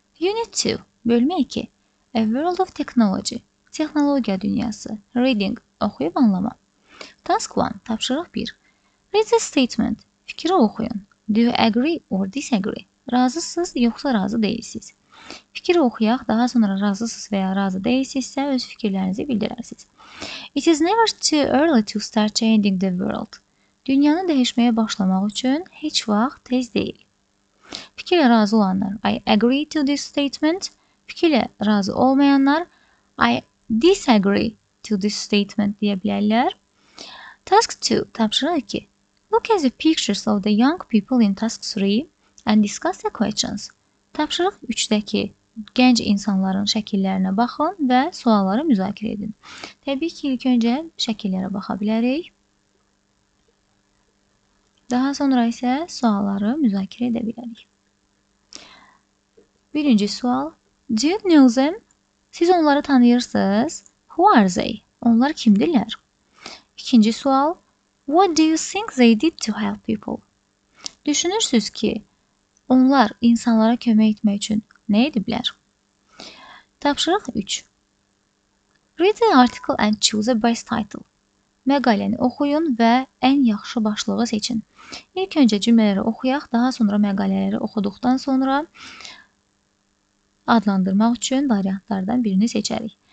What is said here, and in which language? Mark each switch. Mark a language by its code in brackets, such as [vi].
[en] Unit 2, [az] bölmə 2, [en] A World of Technology, [az] Texnologiya Dünyası, [en] Reading, [az] oxuyub anlama. [en] Task 1, [az] tapşırıq 1. [en] Read the statement, [az] fikri oxuyun. [en] Do you agree or disagree? [az] Razısız yoxsa razı deyilsiniz? Fikri oxuyaq, daha sonra razısız və ya razı deyilsinizsə öz fikirlərinizi bildirərsiniz. [en] It is never too early to start changing the world. [az] Dünyanı dəyişməyə başlamaq üçün heç vaxt tez deyil. Fikirlə razı olanlar, [en] I agree to this statement. [az] Fikirlə razı olmayanlar, [en] I disagree to this statement [az] deyə bilərlər. [en] Task 2, [az] tapşırıq 2. [en] Look at the pictures of the young people in task 3 and discuss the questions. [az] Tapşırıq 3-dəki gənc insanların şəkillərinə baxın və sualları müzakirə edin. Təbii ki, ilk öncə şəkillərə baxa bilərik. Daha sonra isə sualları müzakirə edə bilərik. Birinci sual. [en] Do you know them? [az] Siz onları tanıyırsınız. [en] Who are they? [az] Onlar kimdirlər? İkinci sual. [en] What do you think they did to help people? [az] Düşünürsünüz ki, onlar insanlara kömək etmək üçün nə ediblər? Tapşırıq 3. [en] Read the article and choose a best title. [az] Məqaləni oxuyun və ən yaxşı başlığı seçin. İlk öncə cümlələri oxuyaq, daha sonra məqalələri oxuduqdan sonra adlandırmaq üçün variantlardan birini seçərik.